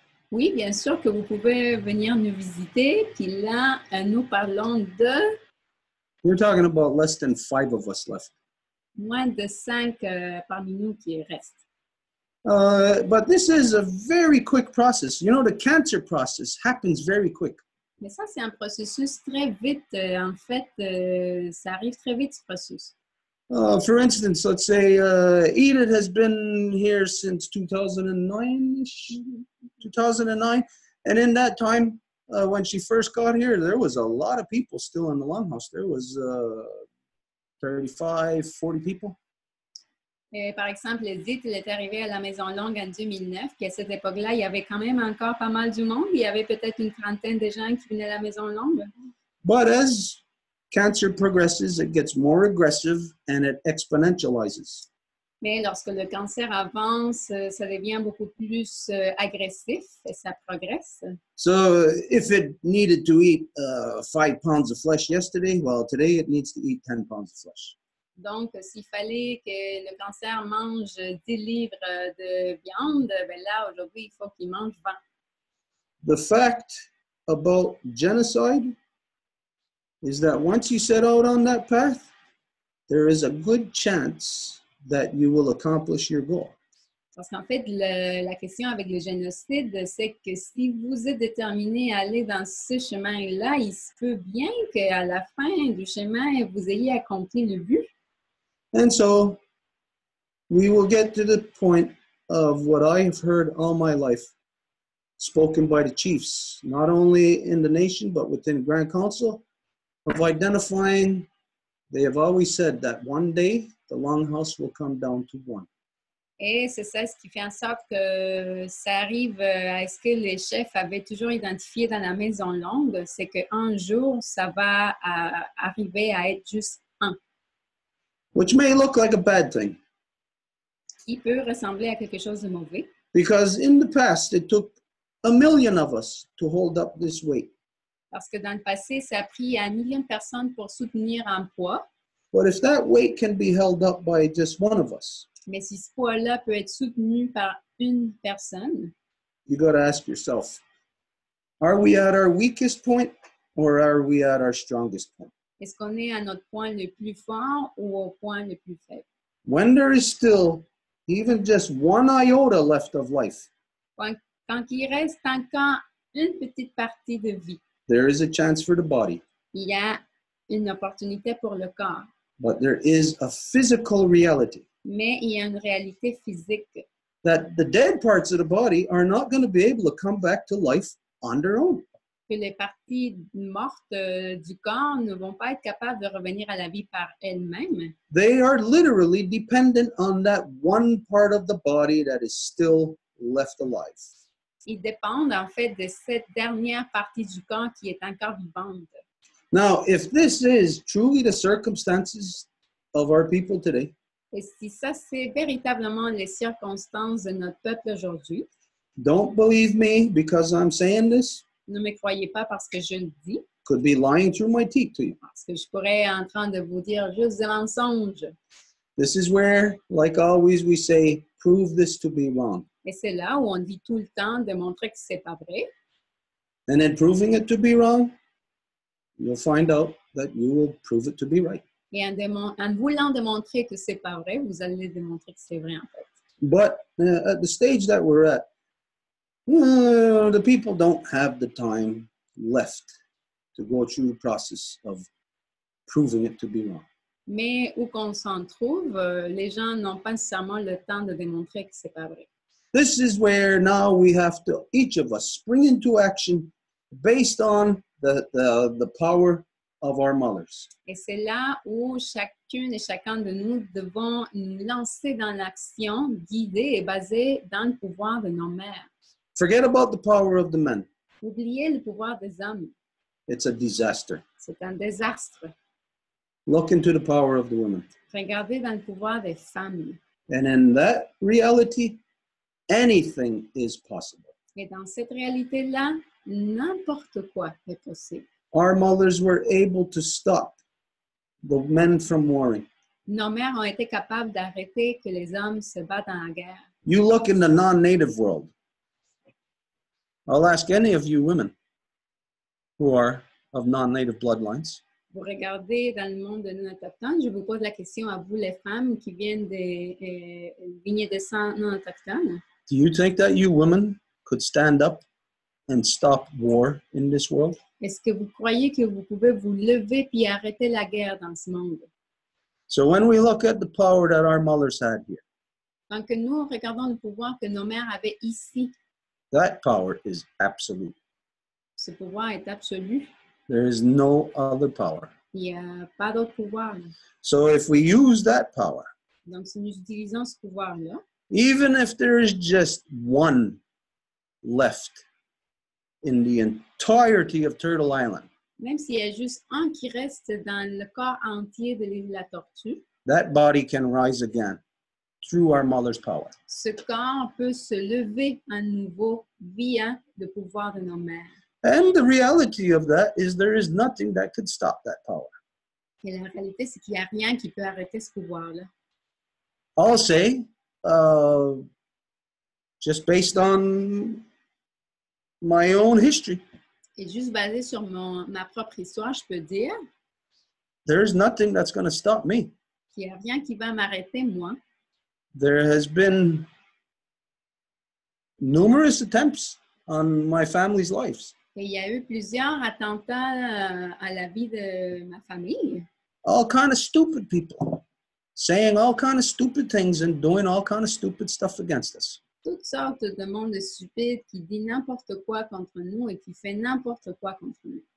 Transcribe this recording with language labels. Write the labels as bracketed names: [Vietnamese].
[French] Oui, bien sûr que vous pouvez venir nous visiter. Puis là, nous parlons de... [English] We're talking about less than 5 of us left. [French] Moins de 5 parmi nous qui restent. [English] But this is a very quick process. You know, the cancer process happens very quick. [French] Mais ça, c'est un processus très vite. En fait, ça arrive très vite, ce processus. [English] For instance, let's say Edith has been here since 2009. And in that time, when she first got here, there was a lot of people still in the longhouse. There was 35, 40 people. [French] Et par exemple, Edith, elle est arrivée à la Maison Longue en 2009. Puis à cette époque-là, il y avait quand même encore pas mal du monde. Il y avait peut-être une trentaine de gens qui venaient à la Maison Longue. [English] But as cancer progresses, it gets more aggressive and it exponentializes. [French] Mais lorsque le cancer avance, ça devient beaucoup plus agressif et ça progresse. [English] So if it needed to eat 5 pounds of flesh yesterday, well, today it needs to eat 10 pounds of flesh. [French] Donc, s'il fallait que le cancer mange 10 livres de viande, ben là, aujourd'hui, il faut qu'il mange 20. [English] The fact about genocide is that once you set out on that path, there is a good chance that you will accomplish your goal. [French] Parce qu'en fait, la question avec le génocide, c'est que si vous êtes déterminé à aller dans ce chemin-là, il se peut bien qu'à la fin du chemin, vous ayez accompli le but. [English] And so, we will get to the point of what I have heard all my life, spoken by the chiefs, not only in the nation, but within Grand Council, of identifying, they have always said that one day, the longhouse will come down to one. [French] Et c'est ça ce qui fait en sorte que ça arrive à ce que les chefs avaient toujours identifié dans la Maison Longue, c'est qu'un jour, ça va arriver à être juste un. [English] Which may look like a bad thing. [French] Qui peut ressembler à quelque chose de mauvais. [English] Because in the past, it took a million of us to hold up this weight. [French] Parce que dans le passé, ça a pris un million de personnes pour soutenir un poids. [English] But if that weight can be held up by just one of us, [French] mais si ce poids-là peut être soutenu par une personne, [English] you got to ask yourself, are we at our weakest point or are we at our strongest point? [French] Est-ce qu'on est à notre point le plus fort ou au point le plus faible? [English] When there is still even just one iota left of life, [French] quand il reste encore une petite partie de vie, [English] there is a chance for the body. [French] Il y a une opportunité pour le corps. [English] But there is a physical reality. [French] Mais il y a une réalité physique. [English] That the dead parts of the body are not going to be able to come back to life on their own. [French] Que les parties mortes du corps ne vont pas être capables de revenir à la vie par elles-mêmes. [English] They are literally dependent on that one part of the body that is still left alive. [French] Ils dépendent en fait de cette dernière partie du corps qui est encore vivante. [English] Now, if this is truly the circumstances of our people today, [French] et si ça, c'est véritablement les circonstances de notre peuple aujourd'hui, [English] don't believe me because I'm saying this. [French] Ne me croyez pas parce que je le dis. [English] Could be lying through my teeth to you. [French] Parce que je pourrais en train de vous dire juste des mensonges. [English] This is where, like always, we say, prove this to be wrong. [French] Et c'est là où on dit tout le temps de montrer que c'est pas vrai. [English] And then proving it to be wrong, you'll find out that you will prove it to be right. [French] Et en voulant démontrer que c'est pas vrai, vous allez démontrer que c'est vrai en fait. [English] But at the stage that we're at, the people don't have the time left to go through the process of proving it to be wrong. [French] Mais où qu'on s'en trouve, les gens n'ont pas nécessairement le temps de démontrer que c'est pas vrai. [English] This is where now we have to, each of us, spring into action based on the power of our mothers. [French] Et c'est là où chacune et chacun de nous devons nous lancer dans l'action, guidée et basée dans le pouvoir de nos mères. [English] Forget about the power of the men. [French] Oubliez le pouvoir des hommes. [English] It's a disaster. [French] C'est un désastre. [English] Look into the power of the women. [French] Regardez dans le pouvoir des femmes. [English] And in that reality, anything is possible. [French] Et dans cette réalité-là, n'importe quoi est possible. [English] Our mothers were able to stop the men from warring. [French] Nos mères ont été capables d'arrêter que les hommes se battent dans la guerre. [English] You look in the non-native world. I'll ask any of you women who are of non-native bloodlines. [French] Vous regardez dans le monde non autochtone. Je vous pose la question à vous, les femmes qui viennent des lignées de sang non autochtones. [English] Do you think that you women could stand up and stop war in this world? [French] Est-ce que vous croyez que vous pouvez vous lever puis arrêter la guerre dans ce monde? [English] So when we look at the power that our mothers had here. [French] Donc que nous regardons le pouvoir que nos mères avaient ici. [English] That power is absolute. [French] Ce pouvoir est absolu. [English] There is no other power. [French] Il n'y a pas d'autre pouvoir. [English] So if we use that power. [French] Donc si nous utilisons ce pouvoir-là. [English] Even if there is just one left in the entirety of Turtle Island. [French] Même s'il y a juste un qui reste dans le corps entier de l'île de la Tortue. [English] That body can rise again through our mother's power. [French] Ce corps peut se lever à nouveau via le pouvoir de nos mères. [English] And the reality of that is there is nothing that could stop that power. [French] Et la réalité, c'est qu'il y a rien qui peut arrêter ce pouvoir-là. [English] I'll say, just based on my own history. [French] Et juste basé sur ma propre histoire, je peux dire. [English] There is nothing that's going to stop me. [French] Il n'y a rien qui va m'arrêter, moi. [English] There has been numerous attempts on my family's lives. [French] Et il y a eu plusieurs attentats à la vie de ma famille. [English] All kind of stupid people. Saying all kind of stupid things and doing all kind of stupid stuff against us. [French] Toutes sortes de monde stupide qui dit n'importe quoi contre nous et qui fait n'importe quoi contre nous.